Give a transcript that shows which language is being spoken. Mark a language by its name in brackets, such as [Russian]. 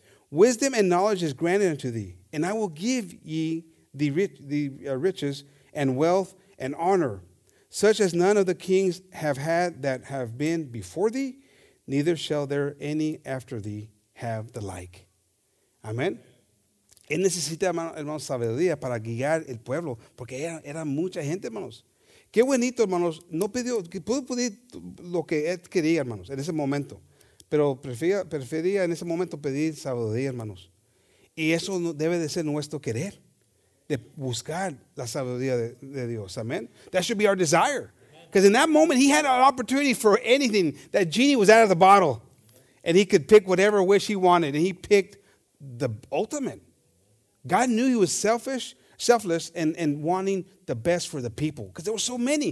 [English] Wisdom and knowledge is granted unto thee, and I will give ye the riches and wealth and honor, such as none of the kings have had that have been before thee, neither shall there any after thee have the like. Amen. [Spanish] Él necesita, hermanos, sabiduría para guiar el pueblo, porque era mucha gente, hermanos. Qué bonito, hermanos. No pidió, pudo pedir lo que él quería, hermanos, en ese momento. Pero prefería en ese momento pedir sabiduría, hermanos. Y eso debe de ser nuestro querer, de buscar la sabiduría de Dios. [English] Amen. That should be our desire. Because in that moment, he had an opportunity for anything. That genie was out of the bottle. And he could pick whatever wish he wanted. And he picked the ultimate. God knew he was selfless, and wanting the best for the people. Because there were so many.